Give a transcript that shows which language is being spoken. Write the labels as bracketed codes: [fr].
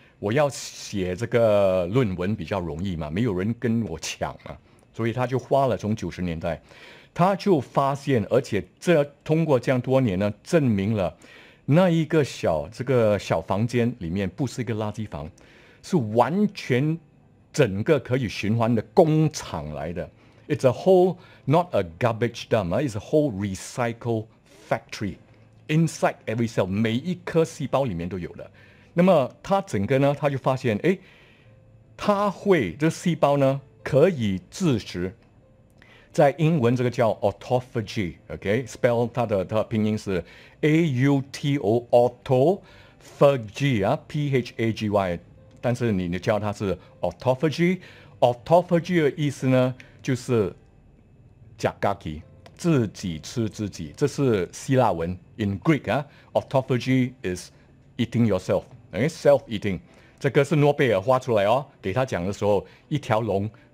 [zh] 我要写这个论文比较容易嘛，没有人跟我抢嘛，所以他就花了从九十年代，他就发现，而且这通过这样多年呢，证明了那一个小这个小房间里面不是一个垃圾房，是完全整个可以循环的工厂来的。 [en] It's a whole, not a garbage dump, it's a whole recycle factory. Inside every cell, [zh] 每一颗细胞里面都有的。那么他整个呢，他就发现，哎，他会，这细胞呢，可以自食，在英文这个叫 autophagy, okay? Spell 它的拼音是 A-U-T-O, autophagy, P-H-A-G-Y, 但是你叫它是 autophagy, autophagy 的意思呢，就是吃自己，自己吃自己，这是希腊文 [en] in Greek [zh] 啊 ， [en] autophagy is eating yourself， [zh] 等于 [en] self eating， [zh] 这个是诺贝尔画出来哦，给他讲的时候，一条龙